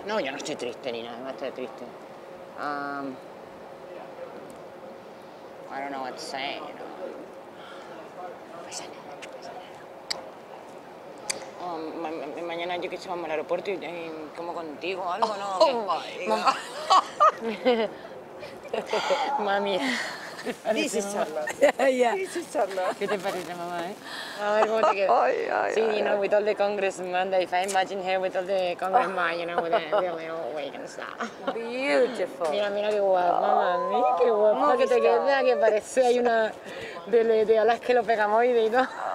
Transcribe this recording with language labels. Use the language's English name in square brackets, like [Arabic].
[Spanish] No, yo no estoy triste ni nada, no estoy triste. [English] I don't know what to say, you know. [Spanish] Pasa nada. Mañana yo que se vamos al aeropuerto y como contigo o algo, ¿no? Mami. [English] This is a lot. See, you know, with all the congressmen, if I imagine her with all the congressmen, you know, with the little wig and stuff. Beautiful. [Spanish] Mira qué guapo, mamá. Mira qué guapo. Oh, que te queda, que parece hay una de alas que lo pegamos y de todo.